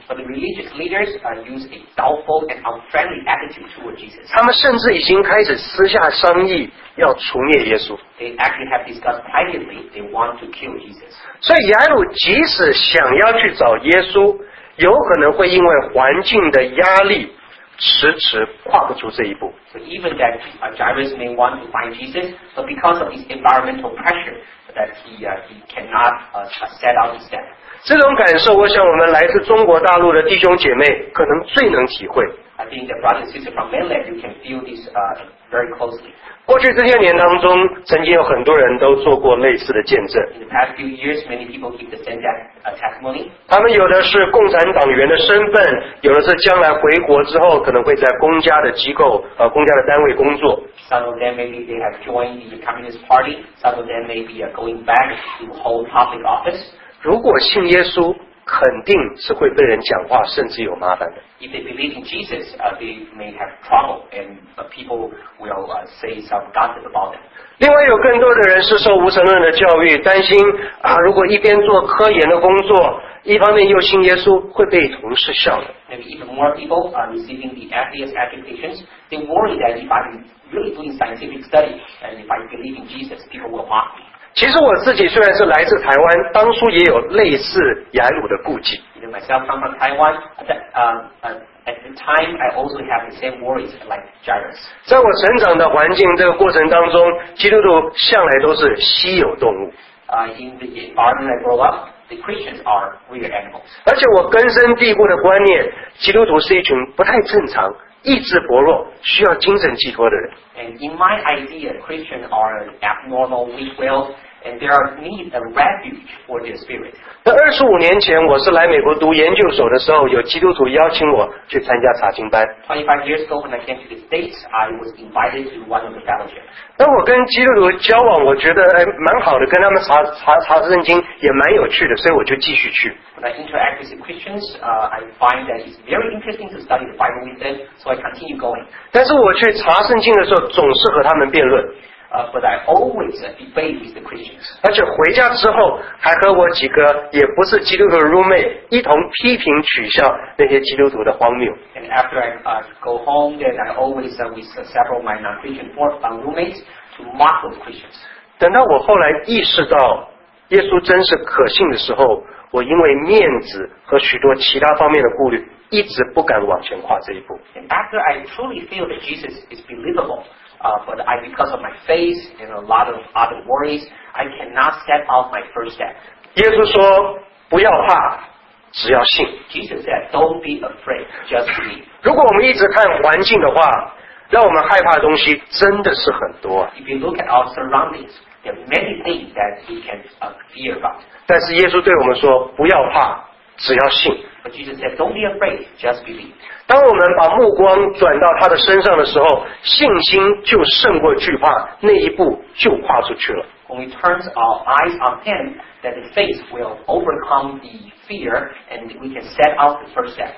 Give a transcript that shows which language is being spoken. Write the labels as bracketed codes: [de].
[en] But the religious leaders used a doubtful and unfriendly attitude toward Jesus. [zh] 他们甚至已经开始私下商议要除灭耶稣。 [en] They actually have discussed privately they want to kill Jesus. [zh] 所以雅鲁即使想要去找耶稣，有可能会因为环境的压力迟迟跨不出这一步。 [en] So even that Jairus may want to find Jesus, but because of his environmental pressure, that he cannot set out his step. [zh] 这种感受，我想我们来自中国大陆的弟兄姐妹可能最能体会。 [en] I think the brothers and sisters from mainland, you can feel this very closely. [zh] 过去这些年当中，曾经有很多人都做过类似的见证。 [en] In the past few years, many people give the same testimony. [zh] 他们有的是共产党员的身份，有的是将来回国之后可能会在公家的机构公家的单位工作。 [en] Some of them maybe they have joined the Communist Party. Some of them maybe are going back to hold public office. [zh] 如果信耶稣，肯定是会被人讲话，甚至有麻烦的。 [en] If they believe in Jesus, they may have trouble, and people will say some gossip about them. [zh] 另外，有更多的人是受无神论的教育，担心啊，如果一边做科研的工作，一方面又信耶稣，会被同事笑的。 [en] Maybe even more people are receiving the atheist educations. They worry that if I'm really doing scientific study, and if I believe in Jesus, people will mock me. [zh] 其实我自己虽然是来自台湾，当初也有类似雅鲁的顾忌。 [en] Myself come from Taiwan, at the time I also have the same worries like Jairus. [zh] 在我成长的环境这个过程当中，基督徒向来都是稀有动物。 [en] In the environment I grow up, the Christians are rare animals. [zh] 而且我根深蒂固的观念，基督徒是一群不太正常。意志薄弱，需要精神寄托的人。 [en] And in my idea, Christians are an abnormal, weak will, and they are need a refuge for their spirit. [zh] 那二十五年前，我是来美国读研究所的时候，有基督徒邀请我去参加查经班。 [en] 25 years ago, when I came to the States, I was invited to one of the fellowships. [zh] 那我跟基督徒交往，我觉得蛮好的，跟他们查圣经也蛮有趣的，所以我就继续去。 [en] When I interact with the Christians, I find that it's very interesting to study the Bible with them, so I continue going. [zh] 但是我去查圣经的时候，总是和他们辩论。 [en] But I always debate with the Christians. [zh] 而且回家之后，还和我几个也不是基督徒的 roommate 一同批评取笑那些基督徒的荒谬。 [en] And after I go home, then I always with several of my non-Christian roommates to mock those Christians. [zh] 等到我后来意识到耶稣真是可信的时候，我因为面子和许多其他方面的顾虑，一直不敢往前跨这一步。 [en] And after I truly feel that Jesus is believable, but I because of my faith and a lot of other worries, I cannot step out my first step. [zh] 耶稣说：“不要怕，只要信。” [en] Jesus said, "Don't be afraid, just believe." [zh] 如果我们一直看环境的话，让我们害怕的东西真的是很多。 [en] If you look at our surroundings. There are many things that we can fear about. [zh] 但是耶稣对我们说，不要怕，只要信。 [en] But Jesus said, "Don't be afraid, just believe." [zh] 当我们把目光转到他的身上的时候，信心就胜过惧怕，那一步就跨出去了。 [en] When we turn our eyes on Him, that the faith will overcome the fear, and we can set out the first step.